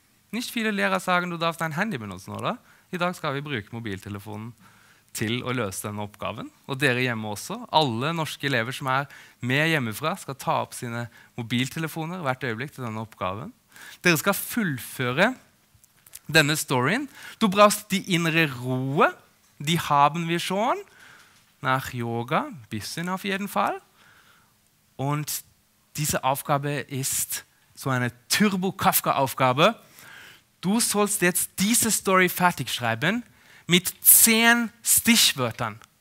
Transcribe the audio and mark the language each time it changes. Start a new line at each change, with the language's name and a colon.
German: Nicht viele Lehrer sagen, du darfst dein Handy benutzen, oder?
Norwegian: I dag skal vi bruke mobiltelefonen til å løse denne oppgaven, og dere hjemme også. Alle norske elever som med hjemmefra skal ta opp sine mobiltelefoner hvert øyeblikk til denne oppgaven. Dere skal fullføre denne storyen.
German: Du brauchst die innere Ruhe, die haben wir schon, nach Yoga, bisschen auf jeden Fall. Und diese Aufgabe ist so eine Turbo-Kafka-Aufgabe. Du sollst jetzt diese Story fertig schreiben, mit 10 Stichwörtern.